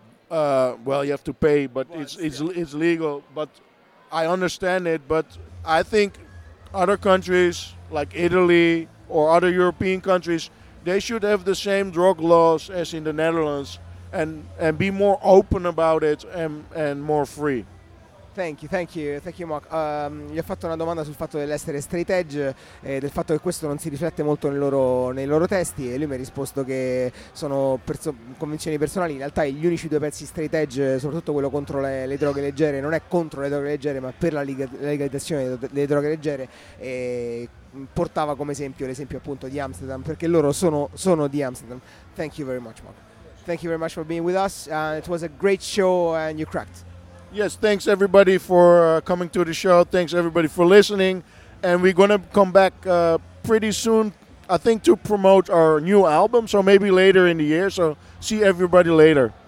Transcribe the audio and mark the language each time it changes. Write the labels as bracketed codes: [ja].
[en] Well, you have to pay, but it's legal. But I understand it. But I think other countries like Italy or other European countries, they should have the same drug laws as in the Netherlands, and be more open about it and more free. Thank you, Mark. [it] Gli ho fatto una domanda sul fatto dell'essere straight edge e del fatto che questo non si riflette molto nei loro testi, e lui mi ha risposto che sono convinzioni personali. In realtà gli unici due pezzi straight edge, soprattutto quello contro le droghe leggere, non è contro le droghe leggere ma per la legalizzazione delle droghe leggere, e portava come esempio appunto di Amsterdam, perché loro sono di Amsterdam. [en] Thank you very much, Mark. Thank you very much for being with us. It was a great show, and you cracked. Yes, thanks everybody for coming to the show. Thanks everybody for listening. And we're going to come back pretty soon, I think, to promote our new album. So maybe later in the year. So see everybody later.